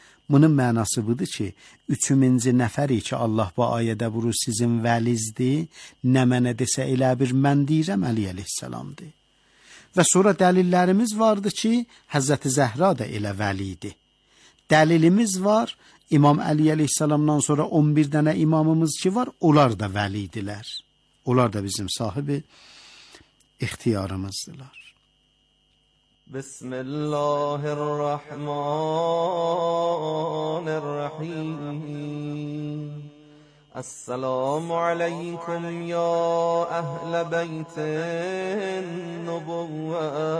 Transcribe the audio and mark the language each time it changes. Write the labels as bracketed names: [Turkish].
[Azerbaijani] Bunun mənası budur ki, 3000-ci nəfəri ki, Allah bu ayədə buru sizin vəlizdir, nə mənə desə elə bir mən deyirəm Əli əleyhissalamdır. Və sonra dəlillərimiz vardı ki, Həzrəti Zəhra da elə vəlidir. Dəlilimiz var, İmam Əli əleyhissalamdan sonra 11 dənə imamımız ki var, onlar da vəlidirlər. Onlar da bizim sahibi ixtiyarımızdırlar. [Arabic] بسم الله الرحمن الرحيم السلام عليكم يا أهل بيت النبوة